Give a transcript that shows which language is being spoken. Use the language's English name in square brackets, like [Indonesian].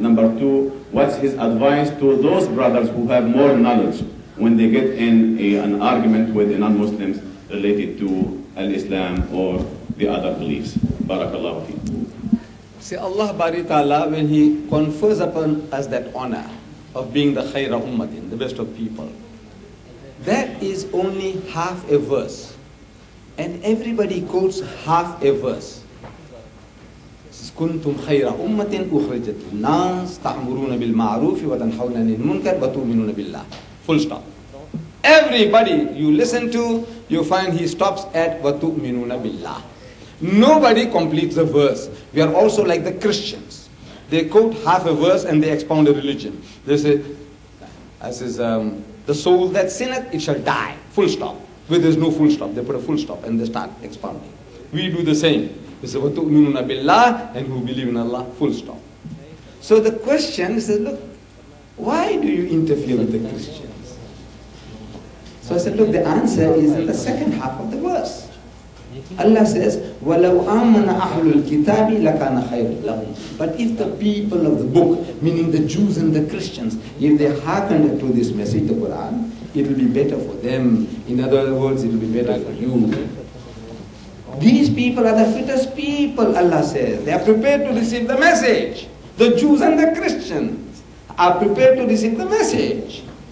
[English] Number two, what's his advice to those brothers who have more knowledge when they get in an argument with the non-Muslims related to Al-Islam or the other beliefs? Barakallahu fi. See, Allah Bari Ta'ala, when he confers upon us that honor of being the Khaira Ummatin, the best of people, that is only half a verse. And everybody quotes half a verse. [Arabic] كنتم خير أمة أخرجت للناس تأمرون بالمعروف وتنهون عن المنكر وتؤمنون بالله. [English] Full stop. Everybody you listen to, you find he stops at [Arabic] وتؤمنون بالله. [English] Nobody completes the verse. We are also like the Christians. They quote half a verse and they expound a religion. They say, as is the soul that sinneth, it shall die. Full stop. Where there's no full stop, they put a full stop and they start expounding. We do the same. He said, [Arabic] وَتُؤْمِنُونَ بِاللَّهِ [English] and who believe in Allah, full stop. So the question is, look, why do you interfere with the Christians? So I said, look, the answer is in the second half of the verse. Allah says, [Arabic] وَلَوْ آمَنَ أَحْلُ الْكِتَابِ لَكَانَ خَيْرٌ لَهُمْ. [English] But if the people of the book, meaning the Jews and the Christians, if they hearkened to this message, the Quran, it will be better for them. In other words, it will be better for you. These people are the fittest people, Allah says. They are prepared to receive the message. The Jews and the Christians are prepared to receive the message.